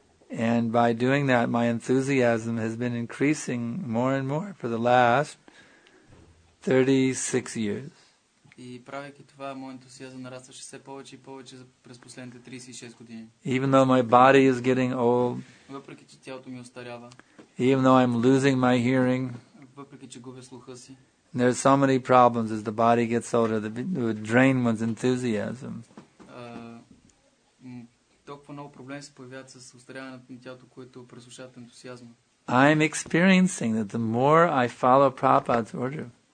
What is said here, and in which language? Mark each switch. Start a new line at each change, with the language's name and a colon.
English: And by doing that, my enthusiasm has been increasing more and more for the last 36 years.
Bulgarian: И правейки това, моят ентусиазъм нарастваше все повече и повече през последните 36 години.
English: Even though my body is getting old.
Bulgarian: Въпреки че тялото ми остарява.
English: Even though I'm losing my hearing.
Bulgarian: Въпреки че губя слуха си.
English: There are so many problems as the body gets older that would drain one's enthusiasm.
Bulgarian: Толкова много проблеми се появяват с остаряването на тялото, което пресушават ентусиазма.
English: I'm experiencing that the more I follow Prabhupada's order.